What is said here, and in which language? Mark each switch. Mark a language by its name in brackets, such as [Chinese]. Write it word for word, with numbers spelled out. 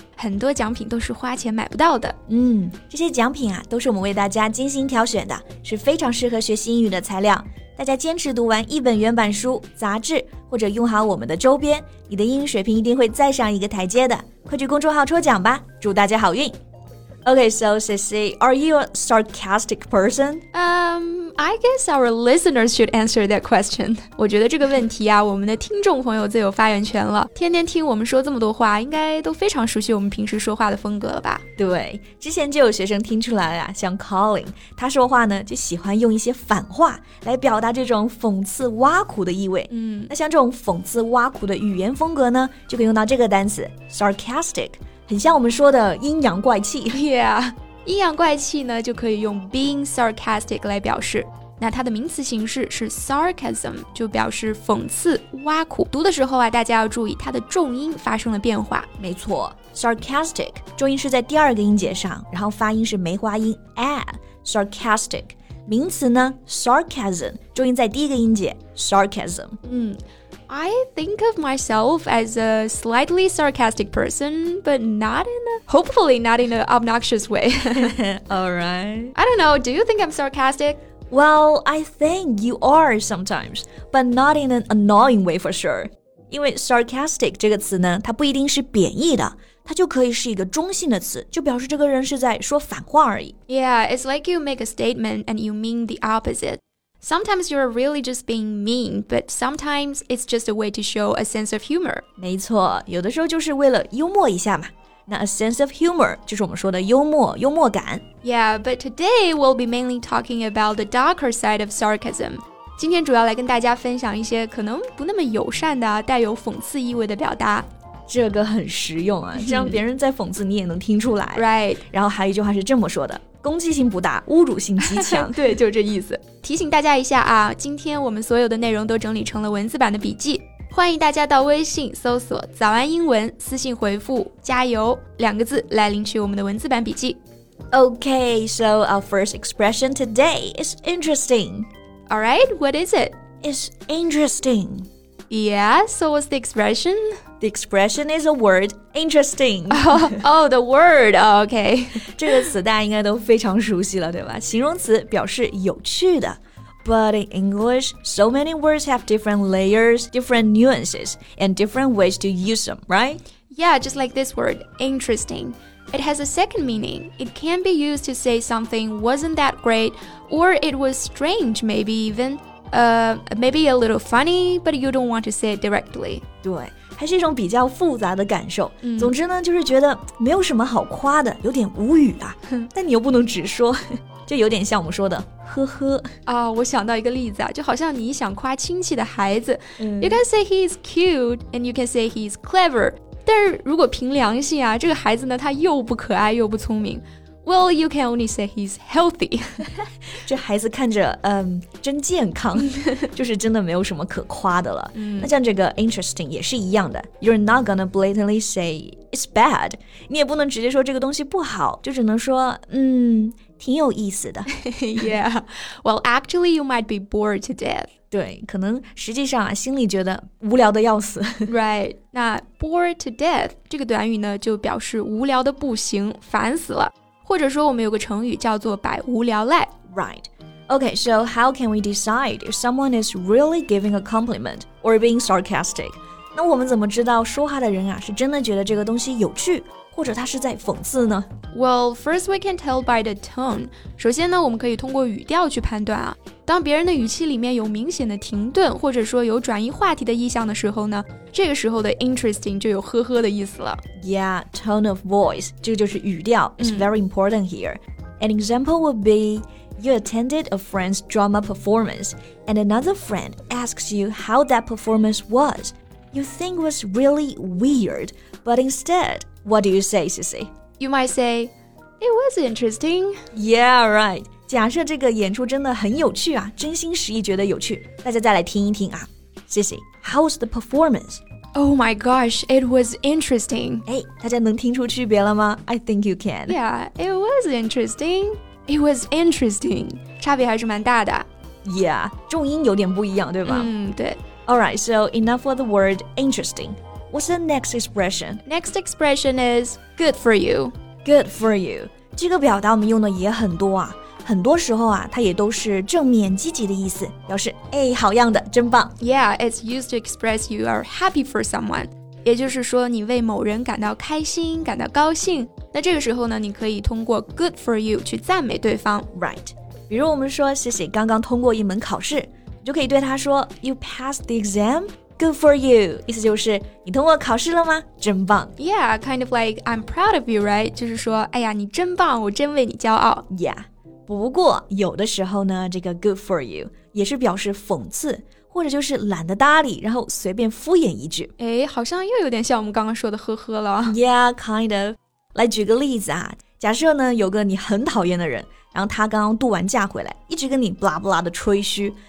[Chinese] 很多奖品都是花钱买不到的。嗯，这些奖品啊都是我们为大家精心挑选的，是非常适合学习英语的材料。大家坚持读完一本原版书、杂志，或者用好我们的周边，你的英语水平一定会再上一个台阶的。快去公众号抽奖吧，祝大家好运。 [English] Okay, so Ceci, are you a sarcastic person? Um, I guess our listeners should answer that question. [Chinese] 我觉得这个问题啊，我们的听众朋友最有发言权了。天天听我们说这么多话，应该都非常熟悉我们平时说话的风格了吧？对，之前就有学生听出来啊，像 Colin， 他说话呢就喜欢用一些反话来表达这种讽刺挖苦的意味。嗯，那像这种讽刺挖苦的语言风格呢，就可以用到这个单词 sarcastic。很像我们说的阴阳怪气 Yeah 阴阳怪气呢就可以用 being sarcastic 来表示，那它的名词形式是 sarcasm， 就表示讽刺挖苦。读的时候啊，大家要注意它的重音发生了变化。没错， sarcastic 重音是在第二个音节上，然后发音是梅花音 a、ah, sarcastic 名词呢 sarcasm 重音在第一个音节 sarcasm。 [English] 嗯I think of myself as a slightly sarcastic person, but not in a, hopefully not in an obnoxious way. All right. I don't know. Do you think I'm sarcastic? Well, I think you are sometimes, but not in an annoying way for sure. [Chinese] 因为 sarcastic 这个词呢，它不一定是贬义的，它就可以是一个中性的词，就表示这个人是在说反话而已。 [English] Yeah, it's like you make a statement and you mean the opposite. Sometimes you're really just being mean, but sometimes it's just a way to show a sense of humor. [Chinese] 没错，有的时候就是为了幽默一下嘛。那 a sense of humor 就是我们说的幽默、幽默感。 [English] Yeah, but today we'll be mainly talking about the darker side of sarcasm. [Chinese] 今天主要来跟大家分享一些可能不那么友善的、带有讽刺意味的表达。这个很实用啊，这样别人在讽刺你也能听出来。 [English] Right. [Chinese] 然后还有一句话是这么说的。攻击性不大，侮辱性极强。对，就这意思。提醒大家一下啊，今天我们所有的内容都整理成了文字版的笔记，欢迎大家到微信搜索早安英文，私信回复加油两个字来领取我们的文字版笔记。 [English] Okay, so our first expression today is interesting. All right, what is it? It's interesting. Yeah, so what's the expression? The expression is a word, interesting. Oh, oh the word, oh, okay. [Chinese] 这个词大家应该都非常熟悉了，对吧？形容词表示有趣的。 [English] But in English, so many words have different layers, different nuances, and different ways to use them, right? Yeah, just like this word, interesting. It has a second meaning. It can be used to say something wasn't that great, or it was strange, maybe even, uh, maybe a little funny, but you don't want to say it directly. [Chinese] 对。还是一种比较复杂的感受、嗯、总之呢就是觉得没有什么好夸的，有点无语啊，但你又不能直说，这有点像我们说的呵呵啊、哦。我想到一个例子啊，就好像你想夸亲戚的孩子、嗯、 [English] You can say he is cute and you can say he is clever， [Chinese] 但是如果凭良心啊，这个孩子呢他又不可爱又不聪明， [English] Well you can only say he is healthy [Chinese] 这孩子看着嗯真健康，就是真的没有什么可夸的了、嗯、那像这个 interesting 也是一样的， [English] You're not gonna blatantly say it's bad， [Chinese] 你也不能直接说这个东西不好，就只能说嗯挺有意思的 [English] Yeah, well actually you might be bored to death， [Chinese] 对，可能实际上啊心里觉得无聊的要死 Right， 那 bored to death 这个短语呢就表示无聊的不行，烦死了，或者说我们有个成语叫做百无聊赖 [English] Right. Okay, so how can we decide if someone is really giving a compliment or being sarcastic? [Chinese] 那我们怎么知道说话的人啊是真的觉得这个东西有趣，或者他是在讽刺呢？ [English] Well, first we can tell by the tone. [Chinese] 首先呢，我们可以通过语调去判断啊。当别人的语气里面有明显的停顿，或者说有转移话题的意向的时候呢，这个时候的 interesting 就有呵呵的意思了。 [English] Yeah, tone of voice. [Chinese] 这个就是语调 [English] It's very important here. An example would be... You attended a friend's drama performance, and another friend asks you how that performance was. You think it was really weird, but instead, what do you say, Ceci? You might say, it was interesting. Yeah, right. [Chinese] 假设这个演出真的很有趣啊，真心实意觉得有趣，大家再来听一听啊。 [English] Sissy, how was the performance? Oh my gosh, it was interesting. [Chinese] 哎，大家能听出区别了吗？ [English] I think you can. Yeah, it was interesting. It was interesting. [Chinese] 差别还是蛮大的。 Yeah, 重音有点不一样，对吧？嗯，对。 [English] Alright, so enough for the word interesting. What's the next expression? Next expression is good for you. Good for you. [Chinese] 这个表达我们用的也很多啊。很多时候啊，它也都是正面积极的意思，表示哎，好样的，真棒。 [English] Yeah, it's used to express you are happy for someone. [Chinese] 也就是说，你为某人感到开心，感到高兴。那这个时候呢，你可以通过 good for you 去赞美对方。 [English] Right. [Chinese] 比如我们说，谢谢刚刚通过一门考试，你就可以对他说 [English] You passed the exam. Good for you. [Chinese] 意思就是你通过考试了吗？真棒。 [English] Yeah, kind of like I'm proud of you, right? [Chinese] 就是说，哎呀，你真棒，我真为你骄傲。 [English] Yeah. [Chinese] 不过有的时候呢，这个 good for you 也是表示讽刺，或者就是懒得搭理，然后随便敷衍一句。诶，好像又有点像我们刚刚说的呵呵了。 [English] Yeah, kind of. [Chinese] 来举个例子啊，假设呢有个你很讨厌的人，然后他刚刚度完假回来，一直跟你 blah blah 的吹嘘。